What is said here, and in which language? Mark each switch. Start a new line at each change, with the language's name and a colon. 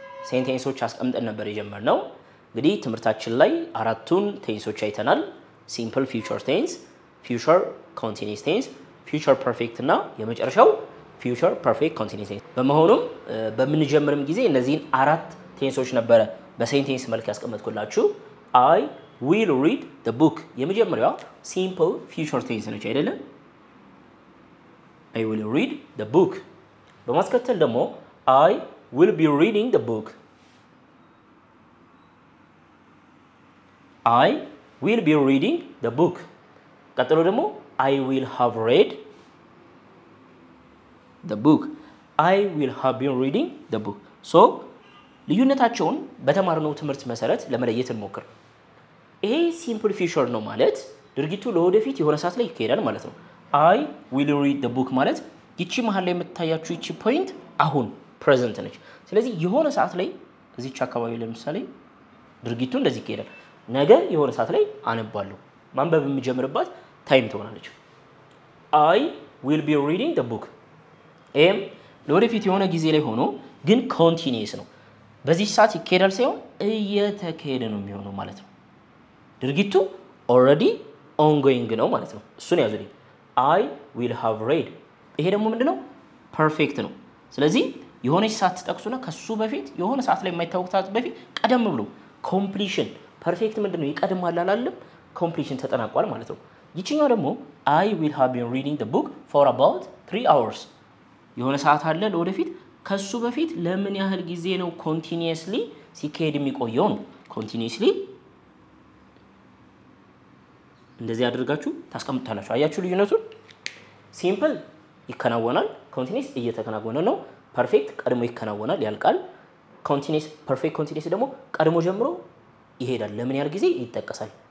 Amharic: ሴንቴንሶች አስቀምጠን ነበር የጀመርነው። እንግዲህ ትምህርታችን ላይ አራቱን ቴንሶች አይተናል። ሲምፕል ፊውቸር ቴንስ፣ ፊውቸር ኮንቲኒስ ቴንስ፣ ፊውቸር ፐርፌክት እና የመጨረሻው ፊውቸር ፐርፌክት ኮንቲኒስ ቴንስ። በመሆኑም በምንጀምርም ጊዜ እነዚህን አራት ቴንሶች ነበረ በሴንቴንስ መልክ ያስቀመጥኩላችሁ። አይ
English: will read the book.
Amharic: የመጀመሪያው
English: simple future tense
Amharic: ነው አይደለ?
English: I will read the book.
Amharic: በማስከተል ደግሞ
English: I will be reading the book. I will be reading the book.
Amharic: ቀጥሎ ደግሞ
English: I will have read the book. I will have been reading the book.
Amharic: So ልዩነታቸውን በተማርነው ትምህርት መሰረት ለመለየት እንሞክር። ይሄ simple future ነው ማለት ድርጊቱ ለወደፊት የሆነ ሰዓት ላይ ይካሄዳል ማለት ነው።
English: I will read the book
Amharic: ማለት ይቺ መሃል ላይ የምትታያችሁ ይቺ point አሁን present ነች። ስለዚህ የሆነ ሰዓት ላይ እዚህ አካባቢ ለምሳሌ ድርጊቱ እንደዚህ ይካሄዳል። ነገ የሆነ ሰዓት ላይ አነባለሁ። ማንበብ የምጀምርበት ታይም ትሆናለች።
English: I will be reading the book.
Amharic: am ለወደፊት የሆነ ጊዜ ላይ ሆኖ ግን continuous ነው። በዚህ ሰዓት ይካሄዳል ሳይሆን እየተካሄደ ነው የሚሆነው ማለት ነው። ድርጊቱ already ongoing ነው ማለት ነው። እሱን ያዙልኝ።
English: I will have read.
Amharic: ይሄ ደግሞ ምንድነው? Perfect ነው። ስለዚህ የሆነች ሰዓት ጠቅሱና ከሱ በፊት የሆነ ሰዓት ላይ የማይታወቅ ሰዓት በፊት ቀደም ብሎ completion. Perfect ምንድነው? ይቀድማል አላለም? Completion ተጠናቋል ማለት ነው። ይቺኛው ደግሞ
English: I will have been reading the book for about 3 hours.
Amharic: የሆነ ሰዓት አለ ለወደፊት ከሱ በፊት ለምን ያህል ጊዜ ነው continuously ሲካሄድ የሚቆየው? Continuously እንደዚህ አድርጋችሁ ታስቀምጣላችሁ። አያችሁ ልዩነቱን? ሲምፕል ይከናወናል፣ ኮንቲኒስ እየተከናወነ ነው፣ ፐርፌክት ቀድሞ ይከናወናል ያልቃል። ኮንቲኒስ ፐርፌክት ኮንቲኒስ ደግሞ ቀድሞ ጀምሮ ይሄዳል። ለምን ያህል ጊዜ ይተከሳል?